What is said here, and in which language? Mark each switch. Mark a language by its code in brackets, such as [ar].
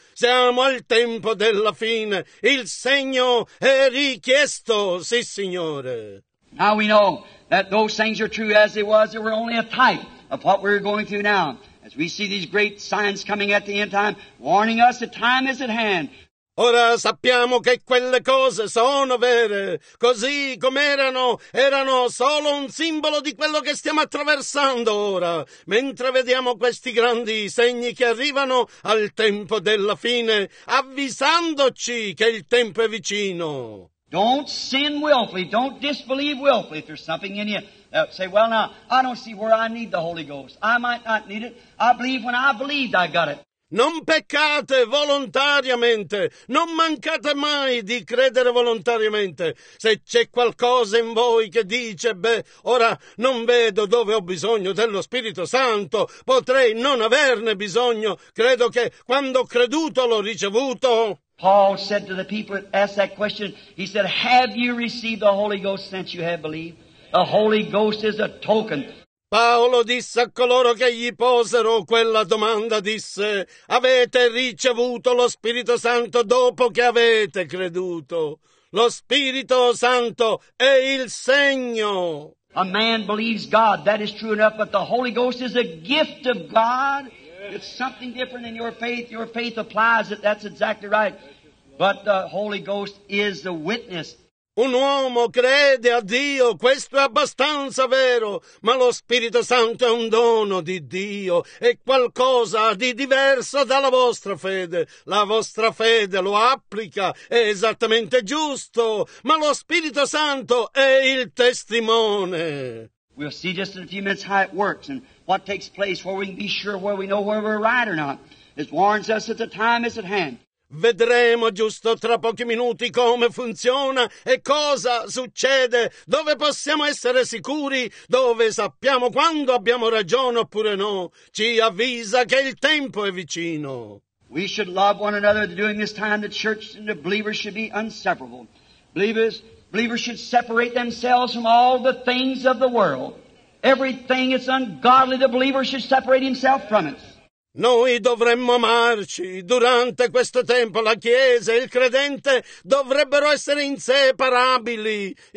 [it] Siamo al tempo della fine, il segno è richiesto, sì signore. [en] Now we know that those things are true as it was, they were only a type of what we're going through now. As we see these great signs coming at the end time, warning us the time is at hand. [it] Ora sappiamo che quelle cose sono vere. Così com'erano, erano solo un simbolo di quello che stiamo attraversando ora. Mentre vediamo questi grandi segni che arrivano al tempo della fine, avvisandoci che il tempo è vicino. [en] Don't sin willfully, don't disbelieve willfully if there's something in you. Say, well now, I don't see where I need the Holy Ghost. I might not need it. I believe when I believed I got it. [it] Non peccate volontariamente. Non mancate mai di credere volontariamente. Se c'è qualcosa in voi che dice, beh, ora non vedo dove ho bisogno dello Spirito Santo, potrei non averne bisogno. Credo che quando ho creduto l'ho ricevuto. [en] Paul said to the people that asked that question, he said, have you received the Holy Ghost since you have believed? The Holy Ghost is a token. [it] Paolo disse a coloro che gli posero quella domanda, disse, avete ricevuto lo Spirito Santo dopo che avete creduto? Lo Spirito Santo è il segno. [en] A man believes God, that is true enough, but the Holy Ghost is a gift of God. It's something different in your faith applies it, that's exactly right. But the Holy Ghost is the witness. [it] Un uomo crede a Dio, questo è abbastanza vero, ma lo Spirito Santo è un dono di Dio, è qualcosa di diverso dalla vostra fede. La vostra fede lo applica, è esattamente giusto, ma lo Spirito Santo è il testimone. [en] We'll see just in a few minutes how it works and what takes place where we can be sure where we know where we're right or not. It warns us that the time is at hand. [it] Vedremo giusto tra pochi minuti come funziona e cosa succede, dove possiamo essere sicuri, dove sappiamo quando abbiamo ragione oppure no. Ci avvisa che il tempo è vicino. [en] We should love one another during this time. The church and the believers should be inseparable. Believers should separate themselves from all the things of the world. Everything is ungodly, the believer should separate himself from it. [it] Noi dovremmo amarci durante questo tempo. La Chiesa e il credente dovrebbero essere inseparabili.